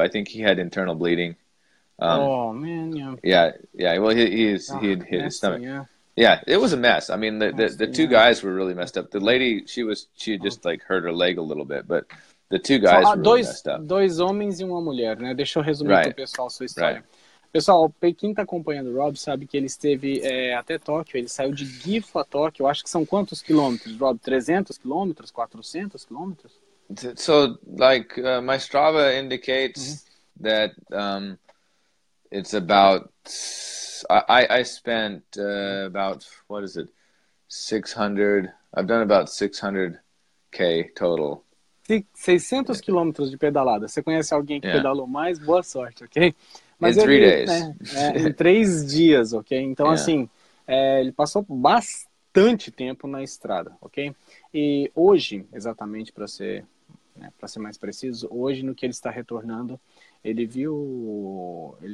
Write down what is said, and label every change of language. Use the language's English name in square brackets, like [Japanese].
[English] I think he had internal bleeding. Yeah. Well, he had hit his stomach. Yeah. It was a mess. I mean, the two guys were really messed up. The lady, she just like hurt her leg a little bit, but the two guys were really messed up. [Portuguese] Dois homens e uma mulher, né? Deixa eu resumir pro pessoal sua história. [English] Right. [Portuguese] Pessoal, quem tá acompanhando o Rob sabe que ele esteve até Tóquio, ele saiu de Gifu a Tóquio, acho que são quantos quilômetros, Rob? 300 quilômetros? 400 quilômetros? [English] So, like, my Strava indicates that it's about, I spent about, what is it, 600, I've done about 600K total. [Portuguese] 600 quilômetros de pedalada, você conhece alguém que pedalou mais, boa sorte, ok? Mas [English] in 3 days. [Portuguese] Em 3 dias, ok? Então, assim, ele passou bastante tempo na estrada, ok? E hoje, exatamente para ser, né, para ser mais preciso, hoje no que ele está retornando, ele viu...